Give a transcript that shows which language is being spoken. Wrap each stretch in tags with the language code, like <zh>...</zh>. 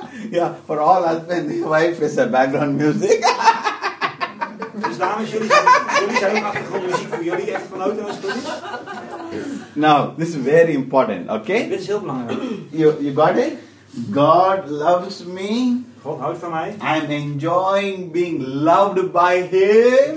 <en>Yeah, for all husbands, the wife is a background music.</en> <nl>Dus dames, jullie zijn ook achtergrondmuziek voor jullie echtgenoten als het goed is.</nl> <en>Now, this is very important, okay?</en> <nl>Dit is heel belangrijk.</nl> <en>You got it? God loves me.</en> <nl>God houdt van mij.</nl> <en>I'm enjoying being loved by him.</en>